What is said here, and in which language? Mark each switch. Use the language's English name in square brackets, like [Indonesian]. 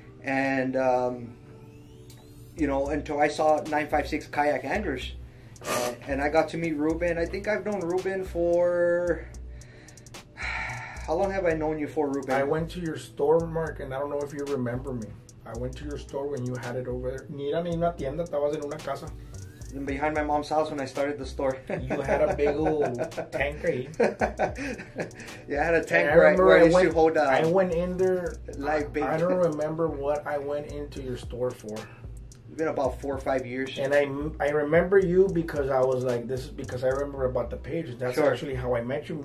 [English] And, until I saw 956 Kayak Anglers. And I got to meet Ruben. I think I've known Ruben for... How long have I known you for, Ruben? I went to your store, Mark, and I don't know if you remember me. I went to your store when you had it over there. [Spanish] Ni era ni una tienda, estabas en una casa. [English] And behind my mom's house when I started the store. You had a big old tanker. Yeah, I had a tanker where I used to hold I went in there. Like, I don't remember what I went into your store for. It's been about 4 or 5 years. And I remember you because I was like, this is because I remember about the pages. That's sure. Actually how I met you.